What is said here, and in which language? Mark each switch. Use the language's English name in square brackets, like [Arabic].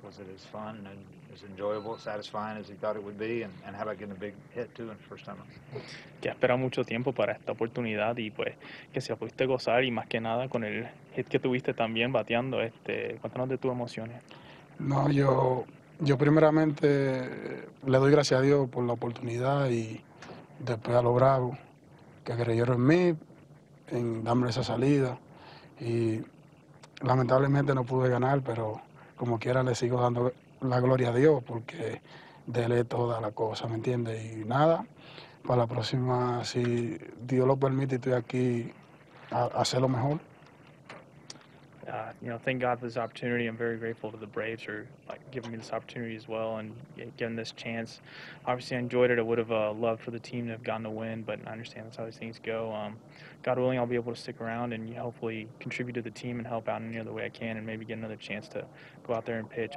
[English] Was it as fun and as enjoyable, satisfying as he thought it would be? And how about getting a big hit too in the first time? [Spanish] Que ha esperado mucho tiempo para esta oportunidad y pues que se pudiste gozar y más que nada con el hit que tuviste también bateando. Cuéntanos de tus emociones. No, yo primeramente le doy gracias a Dios por la oportunidad y después a los Bravos que creyeron en mí, en darme esa salida. Y lamentablemente no pude ganar, pero como quiera le sigo dando la gloria a Dios porque dele toda la cosa, ¿me entiendes? Y nada, para la próxima, si Dios lo permite, estoy aquí a hacer lo mejor. [English] You know, thank God for this opportunity. I'm very grateful to the Braves for like giving me this opportunity as well and giving this chance. Obviously, I enjoyed it. I would have loved for the team to have gotten a win, but I understand that's how these things go. God willing, I'll be able to stick around and hopefully contribute to the team and help out in any other way I can and maybe get another chance to go out there and pitch.